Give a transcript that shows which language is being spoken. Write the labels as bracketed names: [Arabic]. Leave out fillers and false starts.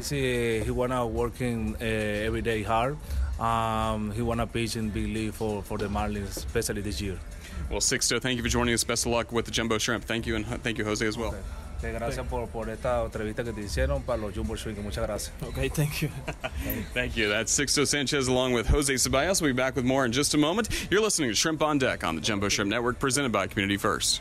[English] He wanna working every day hard. He wanna pitch in big league for the Marlins, especially this year. Well, Sixto, thank you for joining us. Best of luck with the Jumbo Shrimp. Thank you, and thank you, Jose, as well. Okay. [Spanish] Gracias por esta entrevista que te hicieron para los Jumbo Swing. Muchas gracias. [English] Okay, thank you. Thank you. That's Sixto Sanchez along with Jose Ceballos. We'll be back with more in just a moment. You're listening to Shrimp on Deck on the Jumbo Shrimp Network, presented by Community First.